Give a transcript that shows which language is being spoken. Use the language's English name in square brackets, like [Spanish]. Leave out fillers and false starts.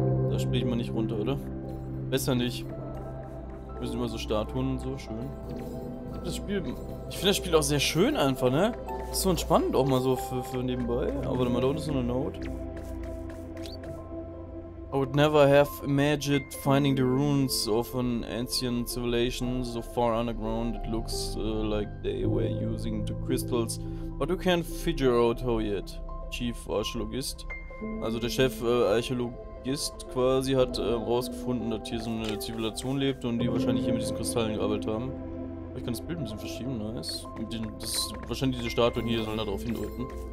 [German] Da springt man nicht runter, oder? Besser nicht. Wir sind immer so Statuen und so, schön. Ich finde das Spiel auch sehr schön einfach, ne? Das ist so entspannend auch mal so für nebenbei. Aber da unten ist so eine Note. [English] I would never have imagined finding the ruins of an ancient civilization so far underground. It looks like they were using the crystals, but we can't figure out how yet. Chief Archäologist. [German] Also der Chef Archäologist quasi hat rausgefunden, dass hier so eine Zivilisation lebt und die wahrscheinlich hier mit diesen Kristallen gearbeitet haben. Ich kann das Bild ein bisschen verschieben, nice. Wahrscheinlich diese Statuen hier sollen da drauf hindeuten.